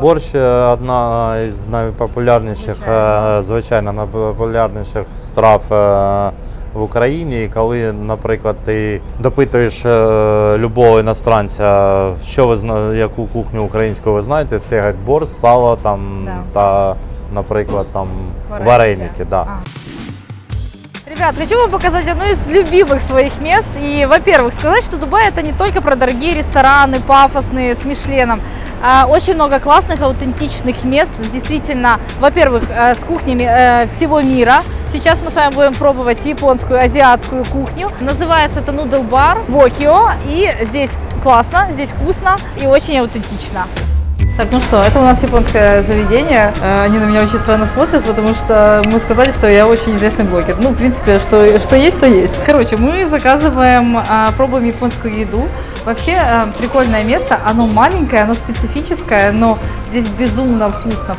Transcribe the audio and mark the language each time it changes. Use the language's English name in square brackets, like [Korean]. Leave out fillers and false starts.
[Ukrainian] Борщ одна із найпопулярніших, звичайно, найпопулярніших страв в Україні. І коли, наприклад, ти допитуєш любого іностранця, що ви знаєте, яку кухню українську ви знаєте, всі говорять борщ, сало там, да, та, наприклад, там вареники, да. [Russian] Ребят, хочу вам показать одно из любимых своих мест. И, во-первых, сказать, что Дубай это не только про дорогие рестораны, пафосные, с Мишленом. Очень много классных, аутентичных мест. Действительно, во-первых, с кухнями всего мира. Сейчас мы с вами будем пробовать японскую, азиатскую кухню. Называется это Noodle Bar в Окио. И здесь классно, здесь вкусно и очень аутентично. Так, ну что, это у нас японское заведение. Они на меня очень странно смотрят, потому что мы сказали, что я очень известный блогер. Ну, в принципе, что есть, то есть. Короче, мы заказываем, пробуем японскую еду. Вообще, прикольное место. Оно маленькое, оно специфическое, но здесь безумно вкусно.